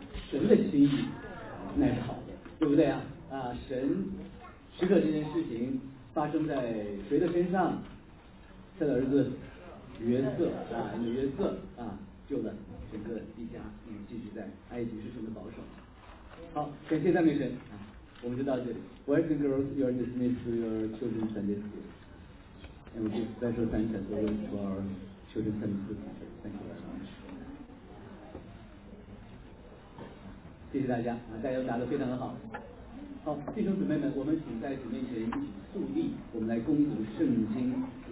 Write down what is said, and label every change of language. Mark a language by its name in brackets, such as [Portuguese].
[Chinese] 神的心意那是好的，对不对啊？神许可这件事情发生在谁的身上？他的儿子约瑟啊，约瑟啊，救了整个一家，继续在埃及是神的保守。好，感谢赞美神啊，我们就到这里。 [English] Boys and girls, you are dismissed to your children's Sunday school. And we give special thanks as always to our children's Sunday school teachers. Thank you very much. [Chinese] 谢谢大家啊，大家答得非常的好。好，弟兄姊妹们，我们请在主面前一起肃立，我们来恭读圣经。